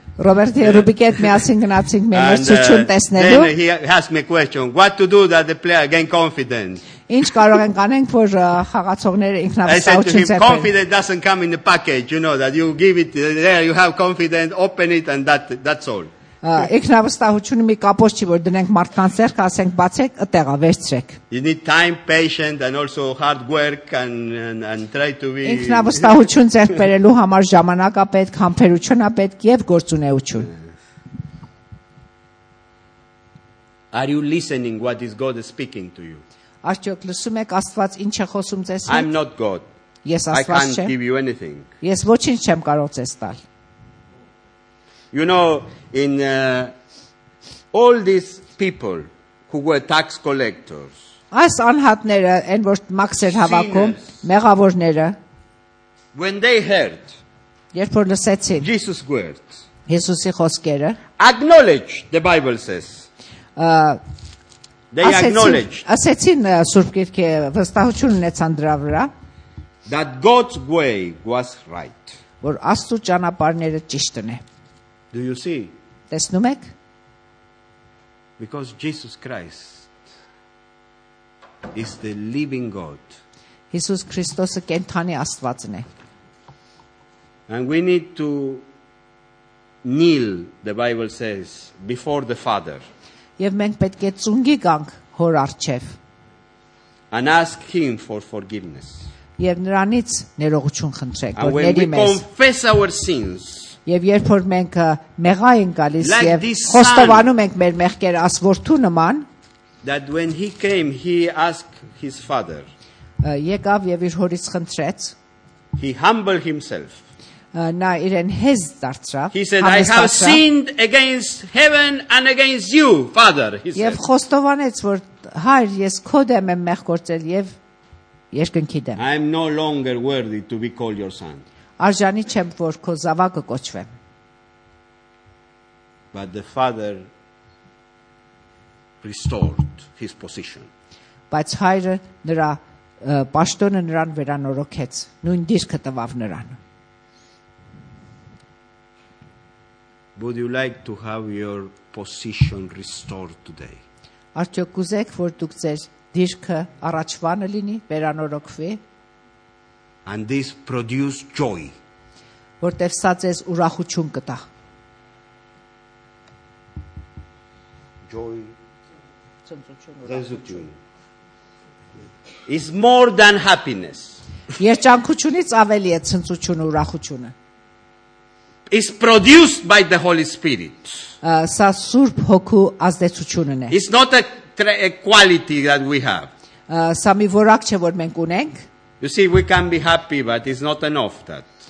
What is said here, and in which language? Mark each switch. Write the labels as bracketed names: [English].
[English] Robert, you rubiket me asking nothing me [Armenian] ցուցում տեսնելու. [English] He asked me a question. What to do that the player gain confidence? [Armenian] Ինչ կարող ենք անենք, որ խաղացողները ինքնավստահություն ձեռք բերեն? [English] Confidence doesn't come in the package, you know, that you give it there, you have confidence, open it and that's all. [Armenian] Ինքնավստահությունը մի կապոց չի, որ դնենք մարդկանց ձեռք, ասենք բացեք, ըտեղա վերցրեք. [English] You need time, patience and also hard work and try to be. [Armenian] Ինքնավստահություն ձեռք բերելու համար ժամանակա պետք, համբերություն է պետք եւ գործունեություն. [English] Are you listening what is God speaking to you? [Armenian] Աստուք լսում եք Աստված ինչ է խոսում ձեզ հետ? [English] I'm not God. [Armenian] Ես Աստված չեմ։ [English] I can't give you anything. [Armenian] Ես ոչինչ չեմ կարող ձեզ տալ։ [English] You know, in all these people who were tax collectors. [Armenian] Այս անհատները, այն որ մաքսեր հավաքում, մեղավորները. [English] When they heard. [Armenian] Երբ որ լսեցին. [English] Jesus words. [Armenian] Հիսուսի խոսքերը. [English] Acknowledge, the Bible says. They acknowledge. [Armenian] Ասացին Սուրբ Գիրքի վստահություն ունեցան դրա վրա. [English] That God's way was right. [Armenian] Որ Աստծո ճանապարհները ճիշտն է. [English] Do you see? [Armenian] Տեսնում եք? [English] Because Jesus Christ is the living God. [Armenian] Հիսուս Քրիստոսը կենթանի Աստվածն է. [English] And we need to kneel, the Bible says, before the Father. [Armenian] Եվ մենք պետք է ծունգի գանք հոր առջև։ [English] And ask him for forgiveness. [Armenian] Եվ նրանից ներողություն խնդրեք, որ ների մեզ։ [English] And when we confess our sins. [Armenian] Եվ երբ որ մենք մեղա ենք գալիս եւ խոստովանում ենք մեր մեղքեր ասորդու նման, [English] that when he came he asked his father. [Armenian] Եկավ եւ իր հորից խնդրեց։ [English] He humbled himself. [Armenian] Նա իրեն հեզ դարձրավ։ [English] He said, I have sinned against heaven and against you, Father. He said. [Armenian] Եվ խոստովանեց, որ հայր, ես քո դեմ եմ մեղք գործել եւ երկնքի դեմ։ [English] I am no longer worthy to be called your son. [Armenian] Արժանի չեմ, որ քո զավակը կոչվեմ։ [English] But the Father restored his position. [Armenian] Բայց հայրը նրա պաշտոնը նրան վերանորոգեց, նույն դիրքը տվավ նրան։ [English] Would you like to have your position restored today? [Armenian] Արդյոք կուզեք, որ դուք ձեր դիրքը առաջվանը լինի, վերանորոգվի? [English] And this produce joy. [Armenian] Որտեվ սա ձեզ ուրախություն կտա։ [English] Joy. [Armenian] Ծնծություն. [English] Is more than happiness. [Armenian] Երջանկությունից ավելի է ծնծությունը, ուրախությունը։ [English] Is produced by the Holy Spirit. [Armenian] Սա Սուրբ Հոգու ազդեցությունն է։ [English] It's not a quality that we have. [Armenian] Սա մի որակ չէ, որ մենք ունենք։ [English] You see, we can be happy, but it's not enough that.